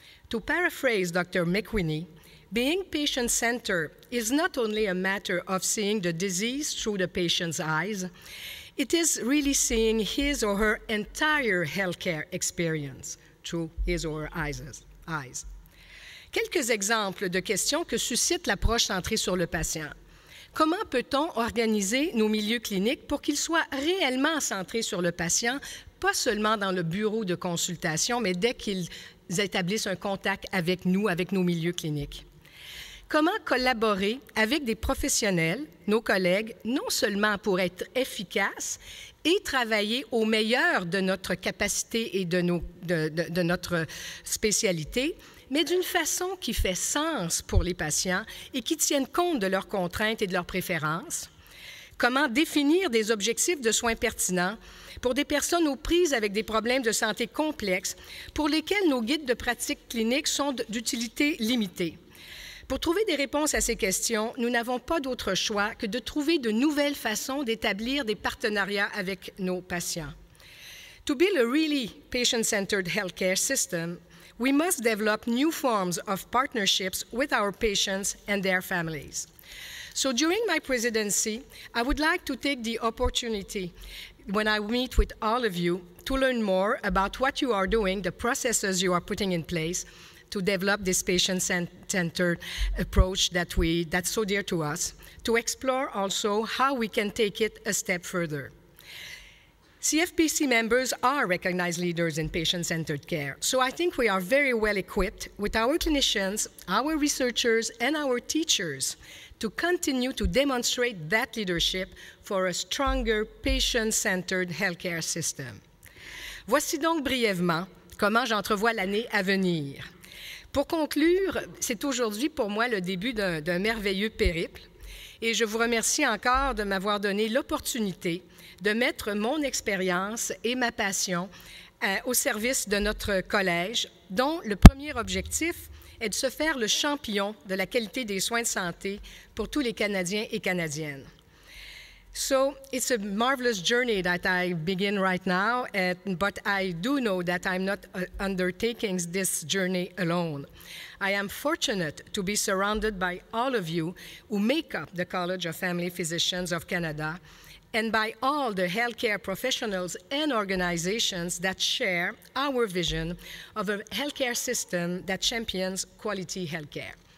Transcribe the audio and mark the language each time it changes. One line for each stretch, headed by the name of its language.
English: To paraphrase Dr. McQueeney, being patient-centered is not only a matter of seeing the disease through the patient's eyes, it is really seeing his or her entire healthcare experience through his or her eyes.
French: Quelques exemples de questions que suscite l'approche centrée sur le patient. Comment peut-on organiser nos milieux cliniques pour qu'ils soient réellement centrés sur le patient, pas seulement dans le bureau de consultation, mais dès qu'ils établissent un contact avec nous, avec nos milieux cliniques? Comment collaborer avec des professionnels, nos collègues, non seulement pour être efficaces et travailler au meilleur de notre capacité et de notre spécialité, mais d'une façon qui fait sens pour les patients et qui tienne compte de leurs contraintes et de leurs préférences? Comment définir des objectifs de soins pertinents pour des personnes aux prises avec des problèmes de santé complexes pour lesquels nos guides de pratique clinique sont d'utilité limitée? Pour trouver des réponses à ces questions, nous n'avons pas d'autre choix que de trouver de nouvelles façons d'établir des partenariats avec nos patients.
English: To build a really patient-centered healthcare system, we must develop new forms of partnerships with our patients and their families. So during my presidency, I would like to take the opportunity, when I meet with all of you, to learn more about what you are doing, the processes you are putting in place, to develop this patient-centered approach that's so dear to us, to explore also how we can take it a step further. CFPC members are recognized leaders in patient-centered care, so I think we are very well equipped with our clinicians, our researchers, and our teachers to continue to demonstrate that leadership for a stronger patient-centered healthcare system.
French: Voici donc brièvement comment j'entrevois l'année à venir. Pour conclure, c'est aujourd'hui pour moi le début d'un merveilleux périple et je vous remercie encore de m'avoir donné l'opportunité de mettre mon expérience et ma passion au service de notre collège, dont le premier objectif est de se faire le champion de la qualité des soins de santé pour tous les Canadiens et Canadiennes.
English: So, it's a marvelous journey that I begin right now, but I do know that I'm not undertaking this journey alone. I am fortunate to be surrounded by all of you who make up the College of Family Physicians of Canada, and by all the healthcare professionals and organizations that share our vision of a healthcare system that champions quality healthcare.